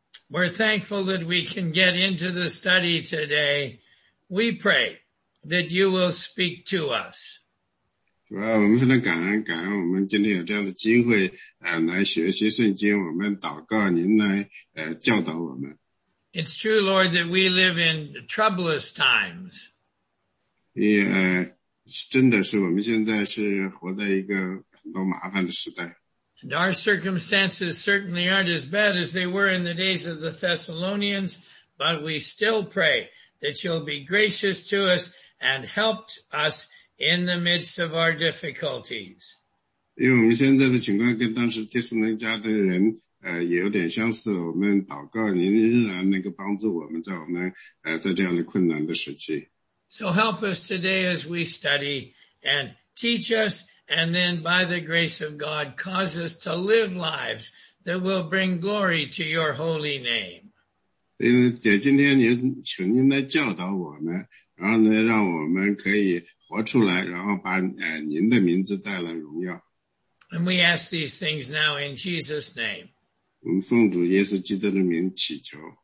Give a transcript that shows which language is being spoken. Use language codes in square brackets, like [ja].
[en] We're thankful that we can get into the study today. We pray that you will speak to us. [zh] 主啊，我们非常感恩我们今天有这样的机会来学习圣经，我们祷告您来教导我们。 [en] It's true, Lord, that we live in troublous times. [zh] 真的是我们现在是活在一个很多麻烦的时代。 [en] And our circumstances certainly aren't as bad as they were in the days of the Thessalonians, but we still pray that you'll be gracious to us and help us in the midst of our difficulties. [zh] 因为我们现在的情况跟当时帖撒罗尼迦的人也有点相似，我们祷告您仍然能够帮助我们在我们在这样的困难的时期。 [en] So help us today as we study and teach us, and then by the grace of God, cause us to live lives that will bring glory to your holy name. [zh] 今天您请您来教导我们，然后呢让我们可以活出来，然后把您的名字带来荣耀。 [en] And we ask these things now in Jesus' name. [zh] 我们奉主耶稣基督的名祈求。